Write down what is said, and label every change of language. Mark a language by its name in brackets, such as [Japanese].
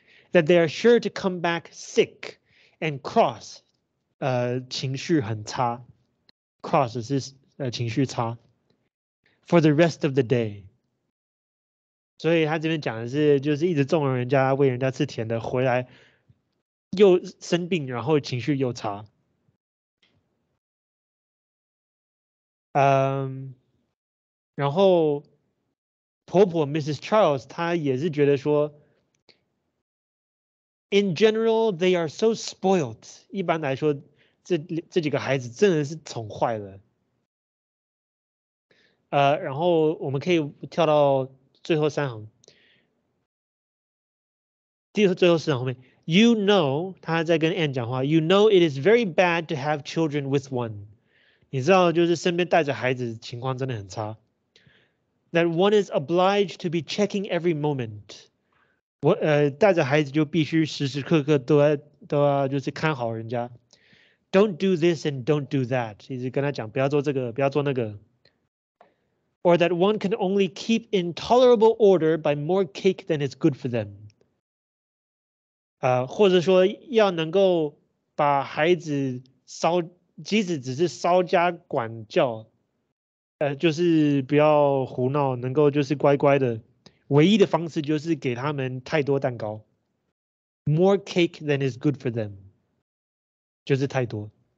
[English] That they are sure to come back sick and cross， [Chinese] 情绪很差， [English] cross [Chinese] 是情绪差， [English] for the rest of the day。 [Chinese] 所以他这边讲的是，就是一直纵容人家，喂人家吃甜的，回来又生病，然后情绪又差。然后婆婆 Mrs. Charles 她也是觉得说。 [English] In general, they are so spoiled. [Chinese] 一般来说，这几个孩子真的是宠坏了。然后我们可以跳到最后三行，最后四行后面，You know，他在跟 Anne 讲话。 [English] You know it is very bad to have children with one。 [Chinese] 你知道，就是身边带着孩子情况真的很差。 [English] That one is obliged to be checking every moment。 [Chinese] 我带着孩子就必须时时刻刻都要就是看好人家， [English] Don't do this and don't do that， [Chinese] 一直跟他讲不要做这个，不要做那个。 [English] Or that one can only keep in tolerable order by more cake than is good for them。 [Chinese] 或者说要能够把孩子稍，即使只是稍加管教，就是不要胡闹，能够就是乖乖的。唯一的方式就是给他们太多蛋糕， [English] more cake than is good for them。 [Chinese] 就是太多。